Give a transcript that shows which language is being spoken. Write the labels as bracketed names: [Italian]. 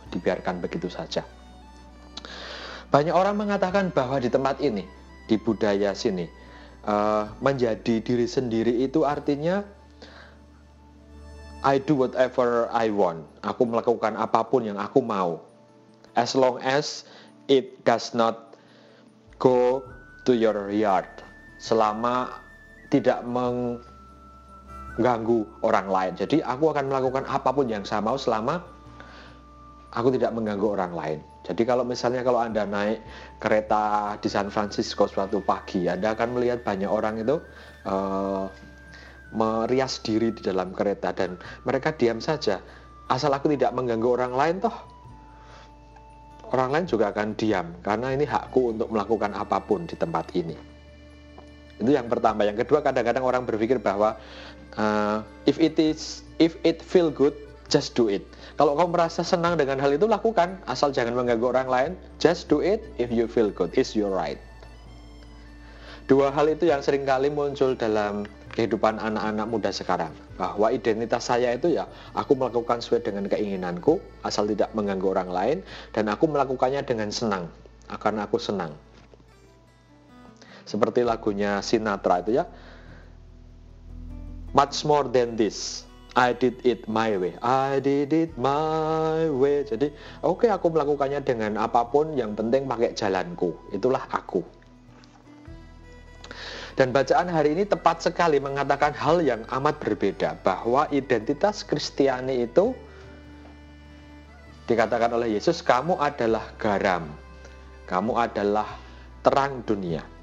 [Indonesian] Dibiarkan begitu saja. Banyak orang mengatakan bahwa di tempat ini, di budaya sini, menjadi diri sendiri itu artinya [English] I do whatever I want. [Indonesian] Aku melakukan apapun yang aku mau. [English] As long as it does not go to your yard. [Indonesian] Selama tidak mengganggu orang lain. Jadi aku akan melakukan apapun yang saya mau selama aku tidak mengganggu orang lain. Jadi kalau misalnya kalau Anda naik kereta di San Francisco suatu pagi, Anda akan melihat banyak orang itu merias diri di dalam kereta dan mereka diam saja. Asal aku tidak mengganggu orang lain toh, orang lain juga akan diam karena ini hakku untuk melakukan apapun di tempat ini. Itu yang pertama. Yang kedua, kadang-kadang orang berpikir bahwa [English] if it feel good, just do it. [Indonesian] Kalau kamu merasa senang dengan hal itu, lakukan. Asal jangan mengganggu orang lain. [English] Just do it if you feel good. It's your right. [Indonesian] Dua hal itu yang seringkali muncul dalam kehidupan anak-anak muda sekarang. Bahwa identitas saya itu ya, aku melakukan sesuai dengan keinginanku, asal tidak mengganggu orang lain, dan aku melakukannya dengan senang, karena aku senang. Seperti lagunya Sinatra itu ya, [English] "Much more than this, I did it my way, [Indonesian] I did it my way." Jadi, oke, aku melakukannya dengan apapun, yang penting pakai jalanku, itulah aku. Dan bacaan hari ini tepat sekali mengatakan hal yang amat berbeda, bahwa identitas Kristiani itu dikatakan oleh Yesus, kamu adalah garam, kamu adalah terang dunia.